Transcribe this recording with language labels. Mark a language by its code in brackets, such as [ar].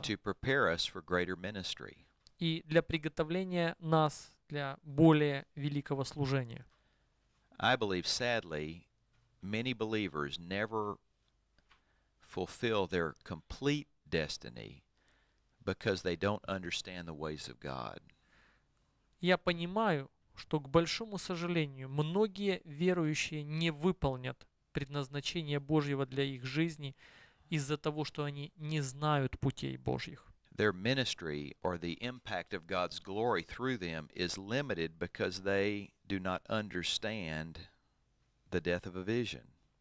[en] And to prepare us for greater ministry. [ru] И для приготовления нас для более великого служения. [en] I believe, sadly, many believers never fulfill their complete destiny because they don't understand the ways of God. [ru] Я понимаю, что, к большому сожалению, многие верующие не выполнят предназначение Божьего для их жизни из-за того, что они не знают путей Божьих. [en] Their ministry or the impact of God's glory through them is limited because they do not understand the death of a vision.